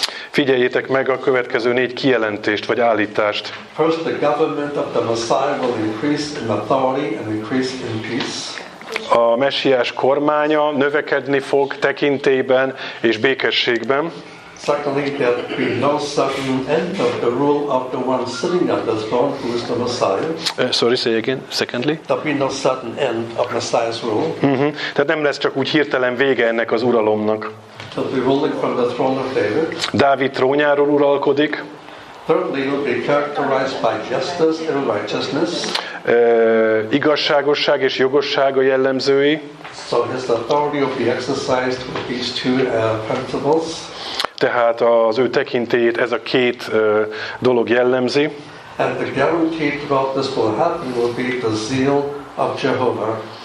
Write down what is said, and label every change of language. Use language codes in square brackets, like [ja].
[hu] Figyeljétek meg a következő négy kijelentést vagy állítást. [en] First, the government of the Messiah will increase in authority and increase in peace. [hu] A messiás kormánya növekedni fog tekintélyben és békességben. [en] Secondly, there will be no sudden end of the rule of the one sitting on the throne, who is the Messiah. Secondly. There will be no sudden end of Messiah's rule. Mm-hmm. [hu] Tehát nem lesz csak úgy hirtelen vége ennek az uralomnak. [en] He'll be ruling from the throne of David. [hu] Dávid trónjáról uralkodik. [en] Thirdly, he'll be characterized by justice and righteousness. [hu] igazságosság és jogosság a jellemzői. [en] So his authority will be exercised with these two principles. [hu] Tehát az ő tekintélyét ez a két dolog jellemzi. [en] And the guarantee that this will happen will be the zeal of Jehovah.